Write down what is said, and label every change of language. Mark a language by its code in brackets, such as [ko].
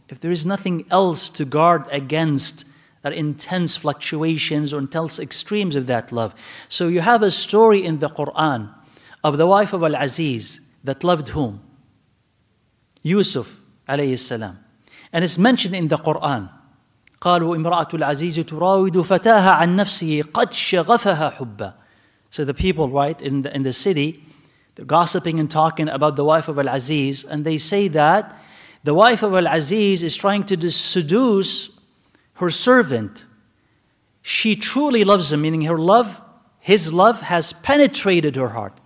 [en] If there is nothing else to guard against that intense fluctuations or intense extremes of that love. So you have a story in the Quran of the wife of Al-Aziz that loved whom? Yusuf alayhi salam. And it's mentioned in the Quran. [ar] قالوا امرأة العزيز تراود فتاها عن نفسه قد شغفها حبا. [en] So the people, right, in the city, they're gossiping and talking about the wife of Al-Aziz, and they say that the wife of Al-Aziz is trying to seduce her servant. She truly loves him, meaning her love, his love has penetrated her heart.